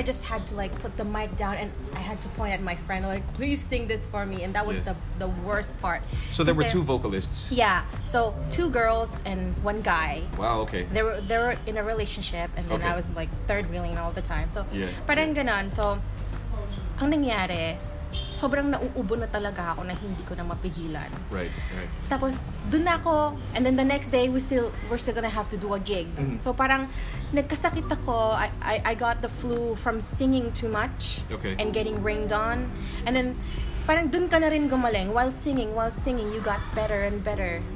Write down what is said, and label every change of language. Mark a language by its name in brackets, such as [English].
[English] I just had to like put the mic down and I had to point at my friend like, please sing this for me. And that was the worst part. So there were two vocalists. Yeah. So two girls and one guy. Wow, okay. They were in a relationship and then I was like third wheeling all the time. [Filipino] So parang ganun. So ang nangyari, sobrang nauubo na talaga ako na hindi ko na mapigilan. [English] Right, right. [Filipino] Tapos, dun ako, [English] and then the next day, we're still gonna have to do a gig. Mm-hmm. So [Filipino] parang, nagkasakit ako, [English] I got the flu from singing too much, okay. And getting rained on. And then, [Filipino] parang dun ka na rin gumaling, [English] while singing, you got better and better.